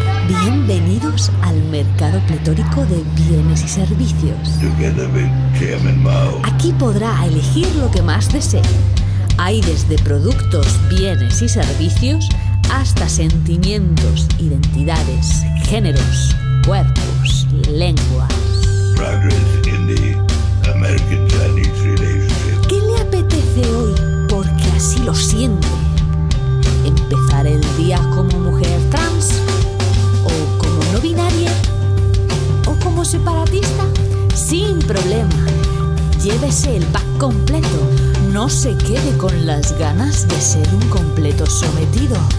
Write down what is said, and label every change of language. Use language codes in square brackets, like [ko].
[es] Bienvenidos al mercado pletórico de bienes y servicios. Aquí podrá elegir lo que más desee. Hay desde productos, bienes y servicios hasta sentimientos, identidades, géneros, cuerpos, lenguas. [en] Progress in the American-Chinese relationship. [es] ¿Qué le apetece hoy? Porque así lo siente. ¿Empezar el día como mujer trans? ¿O como no binaria? ¿O como separatista? Sin problema. Llévese el pack completo. No se quede con las ganas de ser un completo sometido.